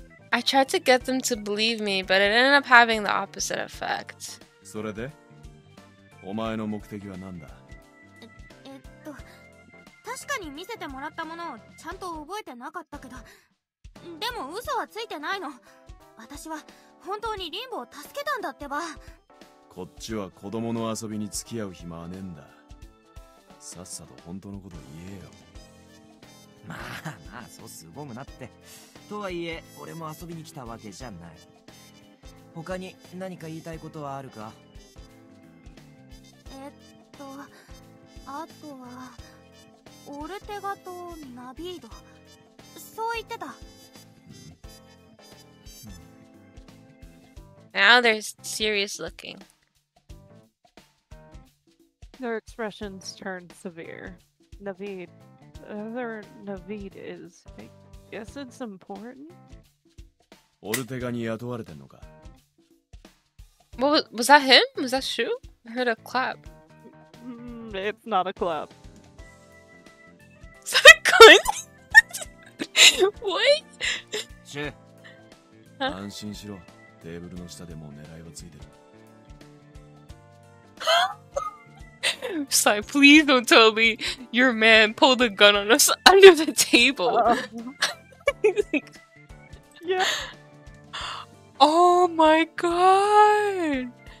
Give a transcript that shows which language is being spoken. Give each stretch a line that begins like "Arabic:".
English: I tried to get them to believe me, but it ended up having the opposite effect.
Japanese: それで、お前の目的は何だ？確かに見せてもらったものをちゃんと覚えてなかったけど、でも嘘はついてないの。私は本当にリンボを助けたんだってば。こっちは子供の遊びに付き合う暇はねえんだ。さっさと本当のこと言えよ。まあまあ、そうすごむなって。とはいえ、俺も遊びに来たわけじゃない。他に何か言いたいことはあるか？あとは、オルテガとナビード、そう言ってた。
English: Now they're serious looking. Their expressions turn severe. Navid, whoever Navid is, I guess it's important.
Japanese: オルテガに雇われてんのか。
English: Was that him? Was that Shu? I heard a clap. It's not a clap. Is that Kun? What? Shu.
Japanese: 安心しろ。テーブルの下でも狙いはついてる。
English: Sorry, please don't tell me your man pulled a gun on us under the table. Yeah. Oh my god.